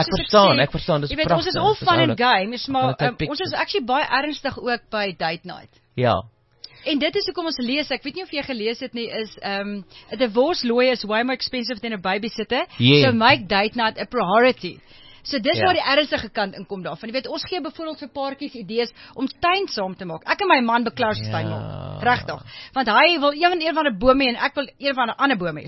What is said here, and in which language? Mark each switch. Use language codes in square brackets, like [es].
[af] Ek verstaan, dis prachtig. Jy weet, ons is all fun and games, maar ons is actually baie ernstig ook by Date Night. Ja. En dit is hoekom ons lees, ek weet nie of jy gelees het nie, is a divorce lawyer is way more expensive than a babysitter. [en] Yeah. So make Date Night a priority. [af] So dis waar die ernstige kant inkom daarvan. Jy weet, ons gee byvoorbeeld vir paartjies idees om tuin saam te maak. Ek en my man beklaar se tuin maak. Regtig. Want hy wil een van die bome en ek wil een van die ander bome.